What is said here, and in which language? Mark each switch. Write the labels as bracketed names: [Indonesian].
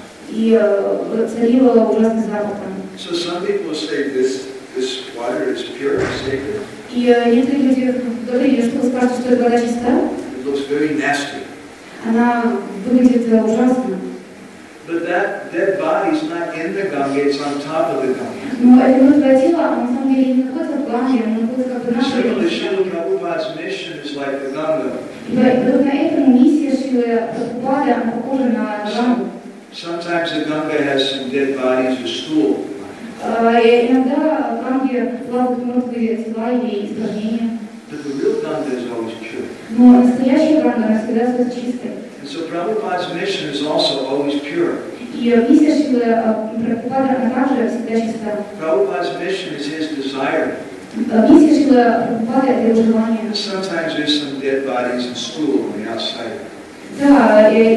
[Russian] И царило ужасный запах там. [English] So some people say this water is pure and sacred. [Russian] И некоторые люди говорили, что спрашивают, что это вода чистая. [English] It looks very nasty. [Russian] Она выглядит ужасно. [English] But that dead body is not in the Ganga, it's on top of the Ganga. [Russian] Но это мертвое тело, оно на самом деле не находится в Ганге, оно находится как бы на Ганге. [English] Similarly, Шрила Прабхупада's mission is like the Ganga. [Russian] Подобно этому миссия Шрилы Прабхупады, она похожа на Гангу. [English] Sometimes the Ganga has some dead bodies or stool. [Russian] Иногда в Ганге плавают мертвые тела или испражнения. [English] But the real Ganga is always pure. [Russian] Но настоящая Ганга, она всегда остается чистой. [English] And so Prabhupada's mission is also always pure. Prabhupada's mission is his desire. Sometimes there's some dead bodies and stool on the outside.